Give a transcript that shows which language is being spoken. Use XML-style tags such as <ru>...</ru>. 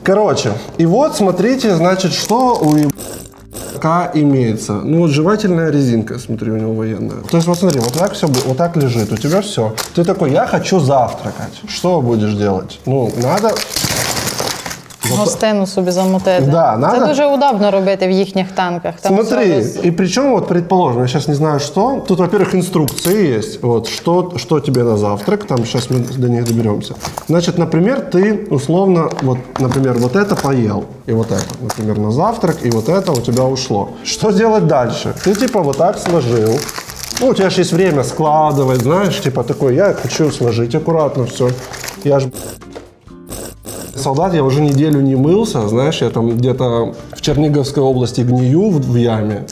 <ru>Короче, и вот смотрите, значит, что у ебака имеется. Ну вот жевательная резинка, смотри, у него военная. То есть вот смотри, вот так все, вот так лежит, у тебя все. Ты такой, я хочу завтракать, что будешь делать? Ну надо...</ru> <uk>гостину собі замутити.</uk> <ru>Да,</ru> <uk>це дуже удобно робити в їхніх танках. Там смотри, і причому, от, предположимо, я зараз не знаю, що. Тут, во-первых, інструкції є. От, що тобі на завтрак, там зараз ми до них доберемося. Значить, наприклад, ти условно, от, наприклад, вот это поїв, і вот это, наприклад, на завтрак, і</uk> <ru>вот это у тебя ушло. Що делать дальше?</ru> <uk>Ти, типа, вот так сложив.</uk> <ru>Ну, у тебя же есть время складывать, знаешь, типа такой, я хочу сложить аккуратно все. Я же солдат, я уже неделю не мылся, знаешь, я там где-то в Черниговской области гнию в яме.</ru>